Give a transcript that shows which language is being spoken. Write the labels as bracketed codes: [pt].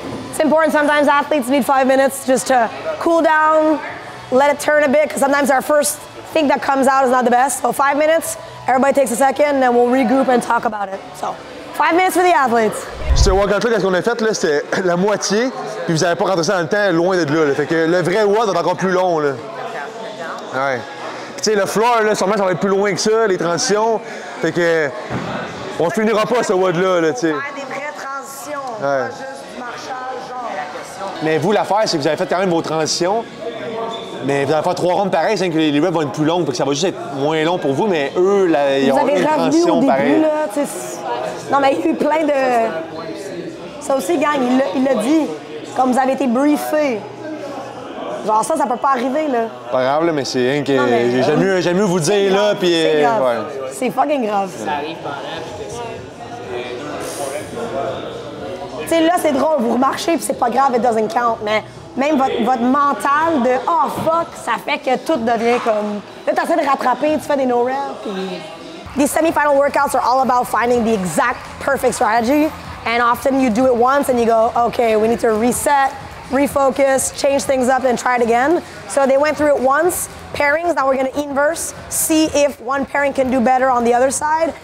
[en] It's important sometimes athletes need 5 minutes just to cool down, let it turn a bit, because sometimes our first thing that comes out is not the best. So, 5 minutes, everybody takes a second, and then we'll regroup and talk about it. So, 5 minutes for the athletes. [fr] Ce workout là, qu'est-ce qu'on a fait là, c'était la moitié, puis vous n'avez pas rentré ça dans le temps, loin d'être là. Fait que le vrai WOD est encore plus long là. Ouais. Tu sais, le floor, là, sûrement, ça va être plus loin que ça, les transitions. Ouais. Fait que. On finira pas ce WOD-là, là, tu sais. Des vraies transitions, ouais. Pas juste marchage, genre. Mais vous, l'affaire, c'est que vous avez fait quand même vos transitions. Mais vous allez faire trois rondes pareilles, c'est que les reps vont être plus longues, parce que ça va juste être moins long pour vous, mais eux, là, ils vous ont avez une transition pareille. Là, tu sais. Non, mais il y a eu plein de. Ça aussi, gang, il l'a dit. Comme vous avez été briefé. Genre, ça, ça peut pas arriver, là. Pas grave, là, mais c'est rien que. J'aime mieux vous dire, c'est là, grave. Puis. C'est, grave. Ouais. C'est fucking grave. Ça arrive, tu sais, là, c'est drôle, vous remarchez, puis c'est pas grave, [en] it doesn't count, [fr] mais. Même votre mental de « oh fuck », ça fait que tout devient comme... Là, t'essaies de rattraper, tu fais des no-reps, puis... [en] These semi-final workouts are all about finding the exact perfect strategy. And often you do it once and you go, okay, we need to reset, refocus, change things up and try it again. So they went through it once, pairings, now we're gonna inverse, see if one pairing can do better on the other side.